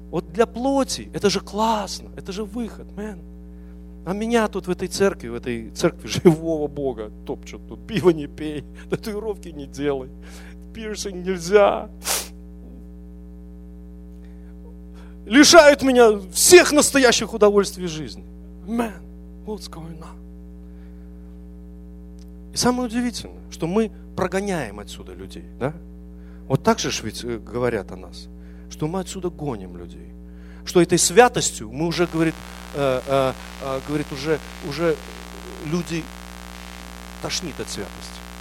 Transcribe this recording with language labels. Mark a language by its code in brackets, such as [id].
[ru] Вот для плоти это же классно! Это же выход, мэн. А меня тут в этой церкви живого Бога топчут. Тут пиво не пей, татуировки не делай, пирсинг нельзя. Лишают меня всех настоящих удовольствий жизни. [en] Мэн, what's going on? [ru] И самое удивительное, что мы прогоняем отсюда людей, да? Вот так же ведь говорят о нас, что мы отсюда гоним людей. Что этой святостью мы уже, говорит, уже люди тошнит от святости.